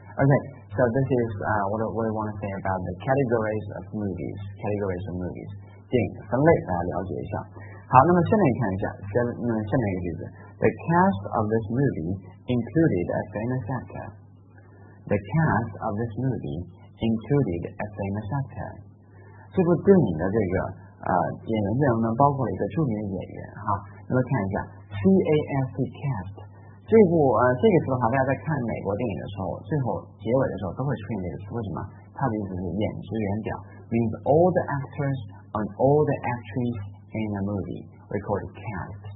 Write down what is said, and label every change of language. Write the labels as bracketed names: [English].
[English] Okay, so this is what we want to say about the categories of movies. Categories of movies. [Chinese] 电影分类，大家了解一下。好，那么下面看一下，下面一个句子。 [English] The cast of this movie included a famous actor. The cast of this movie included a famous actor. [Chinese] 这部电影的这个演员阵容呢，包括了一个著名的演员哈。那么看一下 ，cast cast。这部这个词的话，大家在看美国电影的时候，最后结尾的时候都会出现这个词。为什么？它的意思是演职员表 ， [English] means all the actors and all the actresses in a movie we call it cast。